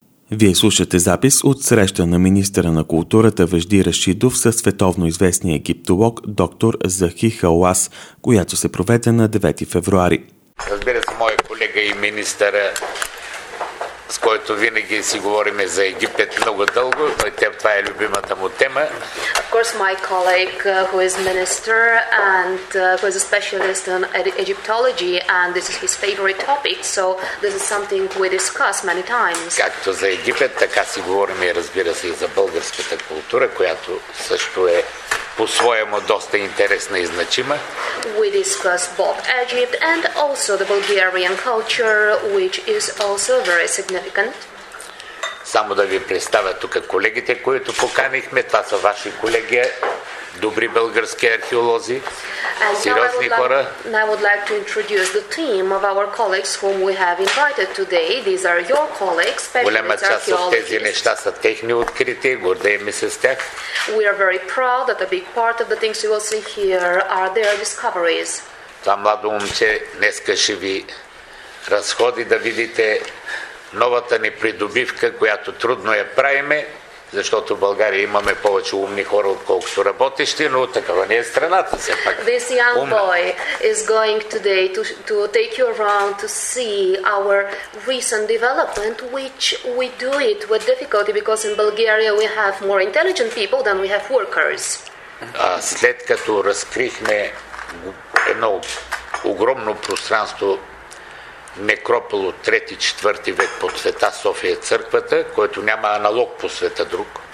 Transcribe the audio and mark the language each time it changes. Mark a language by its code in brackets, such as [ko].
[bg] Вие слушате запис от среща на министъра на културата Вежди Рашидов със световно известния египтолог доктор Захи Халас, която се проведе на 9 февруари. Разбира се, моят колега и министъра, с който винаги си говорим за Египет много дълго, това е любимата му тема. [en] Of course, my colleague, who is minister and who is a specialist on Egyptology, and this is his favorite topic, so this is something we discuss many times. [bg] Както за Египет, така си говорим, разбира се, и за българската култура, която също е по-своему доста интересна и значима. [en] We discuss both Egypt and also the Bulgarian culture, which is also very significant. [bg] Само да ви представя тук колегите, които поканихме. Това са ваши колеги, добри български археолози, сериозни хора. [en] I would like to introduce the team of our colleagues whom we have invited today. These are your colleagues, specialists, archaeologists. [bg] Голема част от тези неща са техни открития, гордеем се с тях. [en] We are very proud that a big part of the things you will see here are their discoveries. [bg] Това младо момче днеска ще ви разходи да видите новата ни придобивка, която трудно я правиме, защото в България имаме повече умни хора, отколкото работещи, но такава не е страната все пак. [en] This young boy is going today to take you around to see our recent development, which we do it with difficulty because in Bulgaria we have more intelligent people than we have workers. [bg] След като разкрихме едно огромно пространство, некропол от 3-4 век под Света София църквата, който няма аналог по света друг.